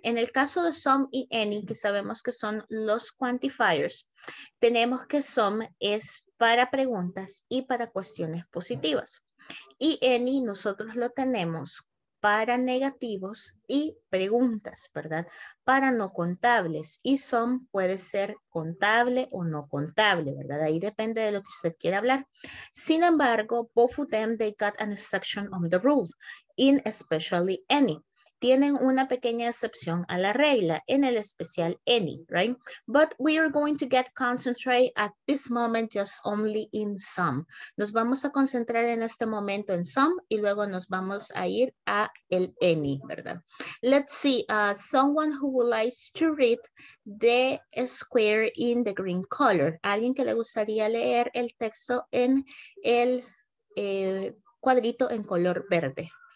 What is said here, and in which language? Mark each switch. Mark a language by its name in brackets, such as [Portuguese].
[Spanish] En el caso de some y any, que sabemos que son los quantifiers, tenemos que some es para preguntas y para cuestiones positivas. Y any nosotros lo tenemos para negativos y preguntas, ¿verdad? Para no contables. Y some puede ser contable o no contable, ¿verdad? Ahí depende de lo que usted quiera hablar. Sin embargo, [English] both of them, they got an exception on the rule, in especially any. [Spanish] Tienen una pequeña excepción a la regla, en el especial any, right? [English] But we are going to get concentrate at this moment just only in some. [Spanish] Nos vamos a concentrar en este momento en some y luego nos vamos a ir a el any, ¿verdad? [English] Let's see, someone who likes to read the square in the green color. [Spanish] Alguien que le gustaría leer el texto en el cuadrito en color verde.